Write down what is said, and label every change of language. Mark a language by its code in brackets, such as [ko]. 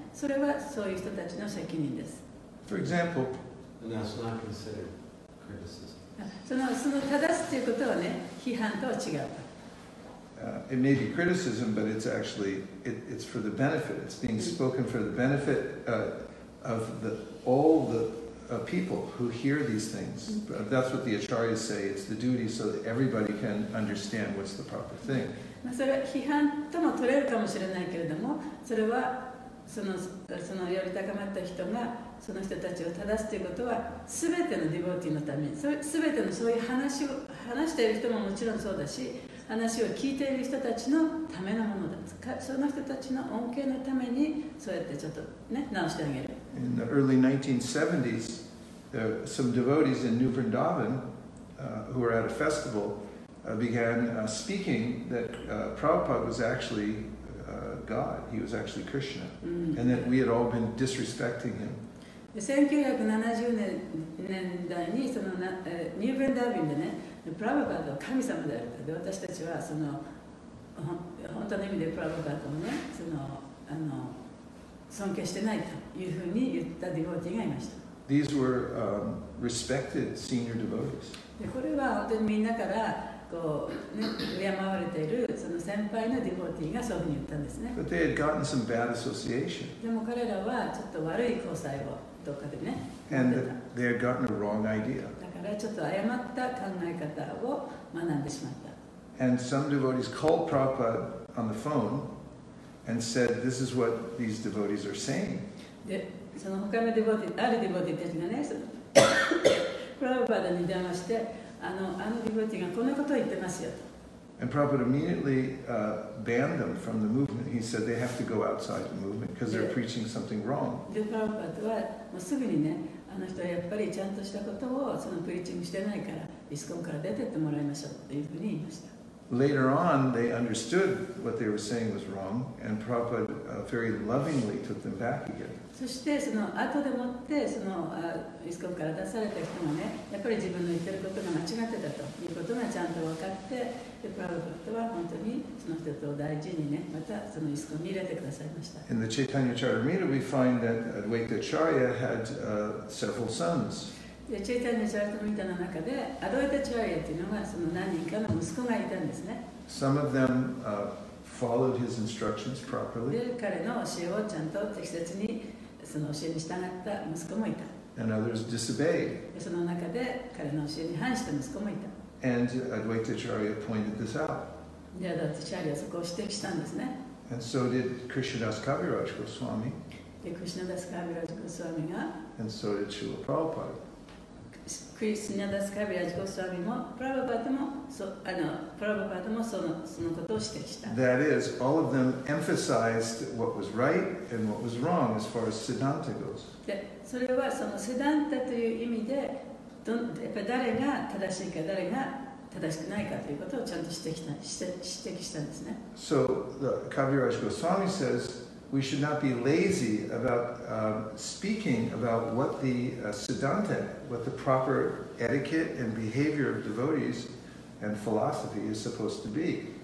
[ja] それはそういう人たちの責任です。 [en] For example, and that's not considered criticism. [ja] その正すということはね、批判とは違う。 [en] It may be criticism, but it's actually it's for the benefit. It's being spoken for the benefit of all the people who hear these things. Mm-hmm. That's what the acharyas say. It's the duty so that everybody can understand what's the proper thing. [ja] まあ、それは批判とも取れるかもしれないけれども、それはそのより高まった人がその人たちを正すということは、すべてのディボーティーのため、すべてのそういう話を話している人ももちろんそうだし、話を聞いている人たちのためのものだ。その人たちの恩恵のためにそうやってちょっとね直してあげる。 [en] In the early 1970s, there were some devotees in New Vrindavan, who were at a festival, began speaking that Prabhupada was actually God. He was actually Krishna, and that we had all been disrespecting him. [ja] 1970年代にそのニューヴェンダーヴィンでね、プラヴァパッドは神様であると。で、私たちはその本当の意味でプラヴァパッドをね、あの尊敬してないというふうに言ったディボーティーがいました。 [en] These were respected senior devotees. [ja] で、これは本当にみんなからこうね、敬われているその先輩のディボーティーがそういうふうに言ったんですね。 [en] But they had gotten some bad association. [ja] でも彼らはちょっと悪い交際をどっかでね。 [en] And they had gotten a wrong idea. [ja] だからちょっと誤った考え方を学んでしまった。 [en] And some devotees called Prabhupada on the phone. And said, "This is what these devotees are saying." [ja] で、その他のディボーティー、あるディボーティーたちがね、プラヴァパダに電話して、あのディボーティーがこんなことを言ってますよと。 [en] And Prabhupada immediately banned them from the movement. He said they have to go outside the movement because they're preaching something wrong. [ja] で、プラヴァパダはもうすぐにね、あの人はやっぱりちゃんとしたことをそのプリーチングしてないから、イスコンから出てってもらいましょうというふうに言いました。 [en] Later on, they understood what they were saying was wrong, and Prabhupada very lovingly took them back again. [ja] そしてその後でもってそのイスコンから出された人もね、やっぱり自分の言ってることが間違ってたということがちゃんと分かって、でプラヴァパッドは本当にその人と大事にね、またそのイスコンに入れてくださいました。 [en] In the Chaitanya Charitamrita, we find that Advaita Acharya had several sons. [ja] でチェイタニャ・チャラタムリタの中でアドワイタ・チャーリアというのがその何人かの息子がいたんですね。 [en] Some of them, followed his instructions properly. [ja] で彼の教えをちゃんと適切にその教えに従った息子もいた。 [en] And others disobeyed. [ja] でその中で彼の教えに反した息子もいた。 [en] And Advaita Acharya pointed this out. [ja] でアドワイタ・チャーリアはそこを指摘したんですね。 [en] And so did Krishnadas Kaviraj Goswami. [ja] でクリシュナダス・カビラジ・ゴスワミが。 [en] And so did Śrīla Prabhupāda. [ja] クリシュナダス・カビラジ・ゴスワミもプラヴァパダもプラヴァパダもそのことを指摘した。 [en] That is, all of them emphasized what was right and what was wrong as far as Siddhanta goes. [ja] で、それはそのセダンタという意味で、やっぱ誰が正しいか誰が正しくないかということをちゃんと指摘したんですね。 [en] So, Kaviraj Goswami says,We should not be lazy about speaking about what the siddhanta, what the proper etiquette and behavior of devotees and philosophy is supposed to be.